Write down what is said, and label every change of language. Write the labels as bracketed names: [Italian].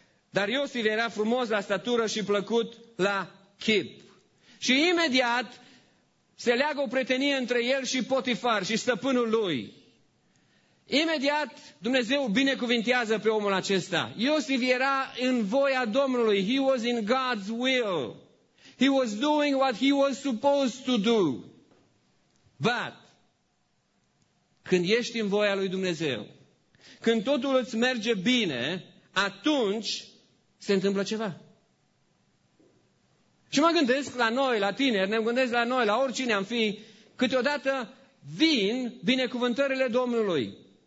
[Romanian] Dar Iosif era frumos la statură și plăcut la chip. Și imediat se leagă o prietenie între el și Potifar și stăpânul lui. Imediat Dumnezeu binecuvintează pe omul acesta. Iosif era în voia Domnului. [English] He was in God's will. He was doing what he was supposed to do. [Romanian] But, când ești în voia lui Dumnezeu, când totul îți merge bine, atunci se întâmplă ceva. Și mă gândesc la noi, la tineri, ne gândesc la noi, la oricine am fi, câteodată vin binecuvântările Domnului.